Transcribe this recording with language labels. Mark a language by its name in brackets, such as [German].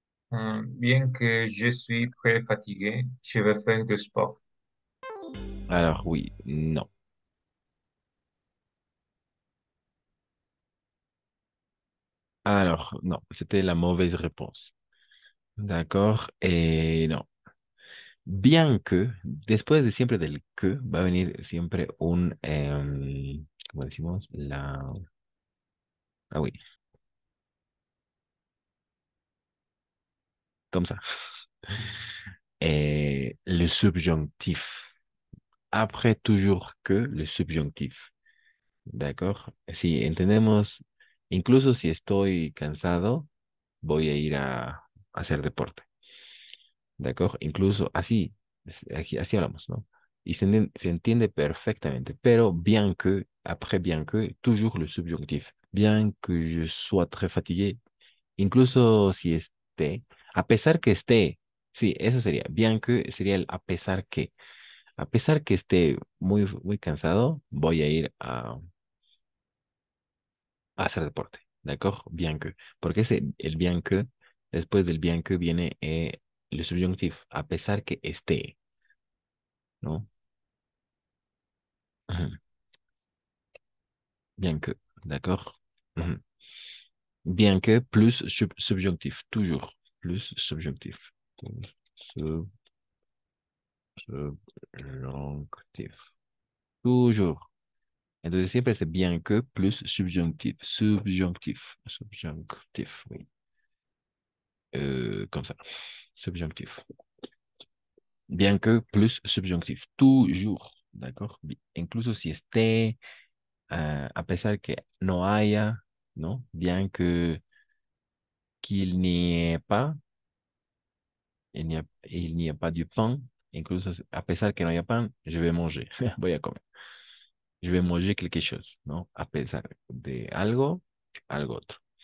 [French] Bien que je suis très fatigué, je vais faire du sport. Alors, oui, non. Alors, non, c'était la mauvaise réponse. D'accord, et non. [Spanish] Bien que, después de siempre del que, va a venir siempre un, ¿cómo decimos? [French] La... Ah, oui. Comme ça. Et le subjonctif. Après toujours que, le subjonctif. [Spanish] D'accord, si entendemos... Incluso si estoy cansado, voy a ir a hacer deporte. ¿De acuerdo? Incluso así, así hablamos, ¿no? Y se entiende perfectamente. Pero [French] bien que, après bien que, toujours le subjonctif. Bien que je sois très fatigué, [Spanish] incluso si esté, a pesar que esté, sí, eso sería. Bien que sería el a pesar que esté muy, muy cansado, voy a ir a hacer deporte, ¿d'accord? Bien que. Porque ese, el bien que, después del bien que viene el subjuntivo, a pesar que esté, ¿no? [French] Bien que, ¿d'accord? Bien que plus subjuntivo, toujours plus subjuntivo. [Spanish] Subjuntivo. Toujours. Entonces siempre [French] c'est bien que plus subjonctif. Subjonctif. Subjonctif, oui. Comme ça. Subjonctif. Bien que plus subjonctif. Toujours. D'accord? [Spanish] Incluso si esté, a pesar que no haya, ¿no? [French] Bien que qu'il n'y ait pas, il n'y a pas du pain. [Spanish] Incluso a pesar que no haya pan, [French] je vais manger. [Spanish] Voy a comer. [French] Je vais manger quelque chose, ¿no? [Spanish] A pesar de algo, algo otro.